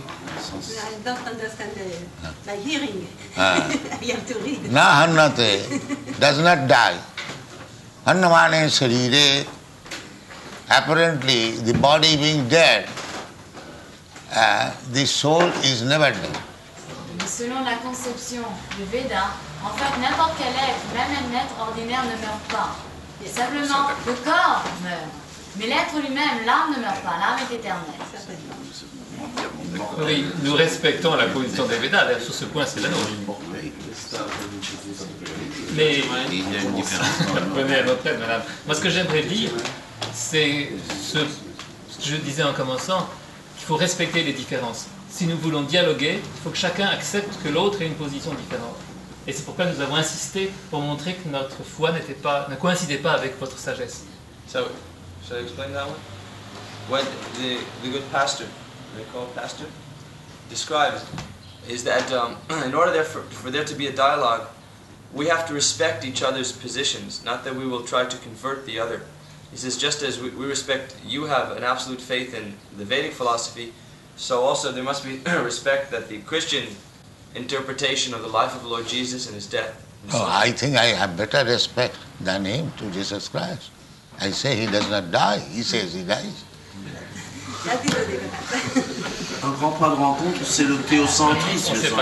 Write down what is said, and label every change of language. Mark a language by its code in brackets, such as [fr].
[en] I don't understand my hearing. I have to read. [sa] Na hannate [en] does not die. [sa] Hannamane sharire. [en] Apparently, the body being dead, the soul is never dead. [fr] Selon la conception du Veda, en fait, n'importe quel être, même un être ordinaire, ne meurt pas. Et simplement, le corps meurt. Mais l'être lui-même, l'âme ne meurt pas, l'âme est éternelle. Oui, nous respectons la position des Védas, d'ailleurs sur ce point c'est la nôtre. Mais il y a une différence. Prenez à votre aide, madame. Moi ce que j'aimerais dire, c'est ce que je disais en commençant, qu'il faut respecter les différences. Si nous voulons dialoguer, il faut que chacun accepte que l'autre ait une position différente. Et c'est pourquoi nous avons insisté pour montrer que notre foi n'était pas, ne coïncidait pas avec votre sagesse. [en] So, should I explain that one? What the good pastor, they call pastor, describes is that in order for there to be a dialogue, we have to respect each other's positions, not that we will try to convert the other. He says, just as we respect, you have an absolute faith in the Vedic philosophy, so also there must be respect that the Christian interpretation of the life of the Lord Jesus and his death. No, I think I have better respect than him to Jesus Christ. I say he does not die, he says he dies. [fr] Un grand point de rencontre, c'est le théocentrisme.